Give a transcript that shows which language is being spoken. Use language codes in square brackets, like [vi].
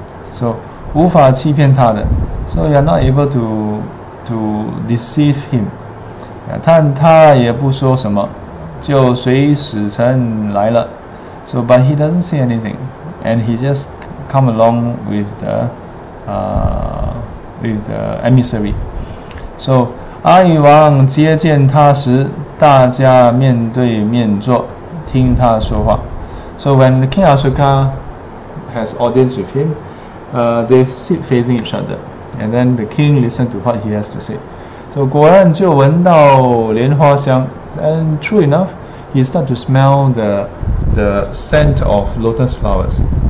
[en] So [zh] 无法欺骗他的, [en] so you are not able to deceive him. [zh] Yeah, 但他也不说什么，就随使臣来了. [en] So but he doesn't say anything, and he just come along with the emissary. [zh] So 阿育王接见他时，大家面对面坐，听他说话. [en] So when the King Asoka has audience with him, they sit facing each other, and then the king listen to what he has to say. So [zh] 果然就闻到莲花香, [en] and true enough, he start to smell the scent of lotus flowers.